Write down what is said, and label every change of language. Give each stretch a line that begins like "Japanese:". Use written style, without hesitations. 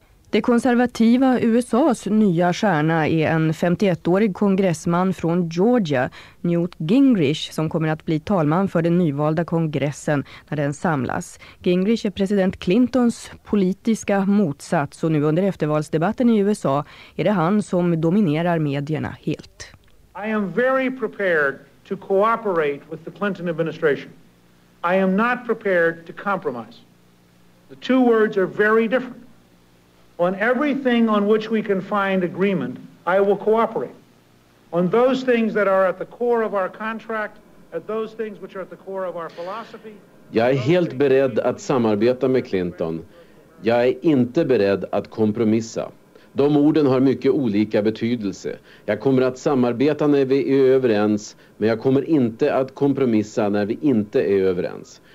Swedish: Det konservativa USAs nya stjärna är en 51-årig kongressman från Georgia, Newt Gingrich, som kommer att bli talman för den nyvalda kongressen när den samlas. Gingrich är president Clintons politiska motsats, och nu under eftervalsdebatten i USA är det han som dominerar medierna helt.
English: I am very prepared to cooperate with the Clinton administration. I am not prepared to compromise. The two words are very different. On everything on which we can find agreement, I will cooperate. On those things that are at the core of our contract, at those things which are at the core of our philosophy.
Swedish: Jag är helt beredd att samarbeta med Clinton. Jag är inte beredd att kompromissa. De orden har mycket olika betydelse. Jag kommer att samarbeta när vi är överens, men jag kommer inte att kompromissa när vi inte är överens.